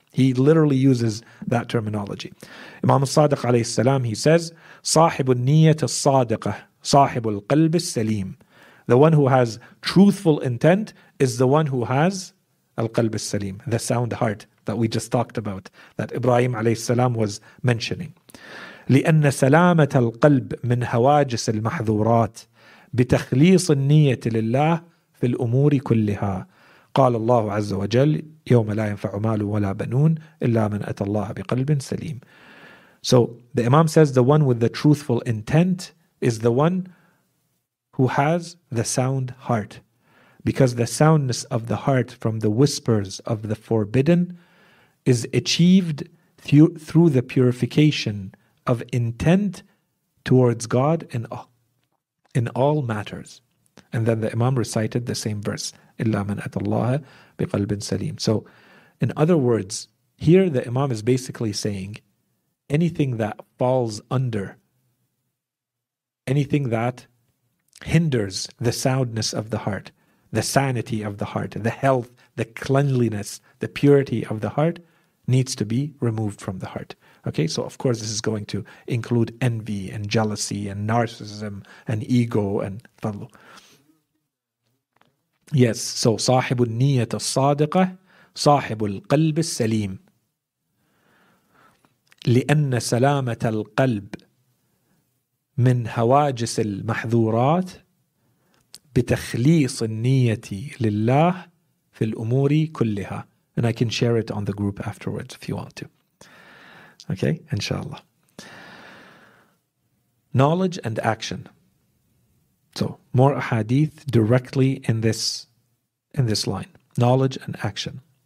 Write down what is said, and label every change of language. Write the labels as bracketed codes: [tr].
[en] He literally uses that terminology. Imam al-Sadiq alayhi salam, he says, [ar] صاحب النية الصادقة صاحب القلب السليم. [en] The one who has truthful intent is the one who has al-qalb al-salim, the sound heart that we just talked about, that Ibrahim alayhi salam was mentioning. [ar] لأن سلامة القلب من هواجس المحذورات بتخليص النية لله في الأمور كلها. قال الله عز وجل يوم لا ينفع مال ولا بنون إلا من أتى الله بقلب سليم. [en] So the Imam says the one with the truthful intent is the one who has the sound heart, because the soundness of the heart from the whispers of the forbidden is achieved through the purification of intent towards God in all matters. And then the Imam recited the same verse, [ar] إِلَّا مَنْ أَتَى اللَّهَ بِقَلْبٍ سَلِيمٍ. [en] So, in other words, here the Imam is basically saying, anything that falls under, anything that hinders the soundness of the heart, the sanity of the heart, the health, the cleanliness, the purity of the heart, needs to be removed from the heart. Okay, so of course this is going to include envy and jealousy and narcissism and ego and fadlu. Yes, so [ar] صاحب النية الصادقة صاحب القلب السليم لأن سلامة القلب من هواجس المحذورات بتخليص النية لله في الأمور كلها. [en] And I can share it on the group afterwards if you want to. Okay, inshallah. Knowledge and action. So, more ahadith directly in this line, knowledge and action.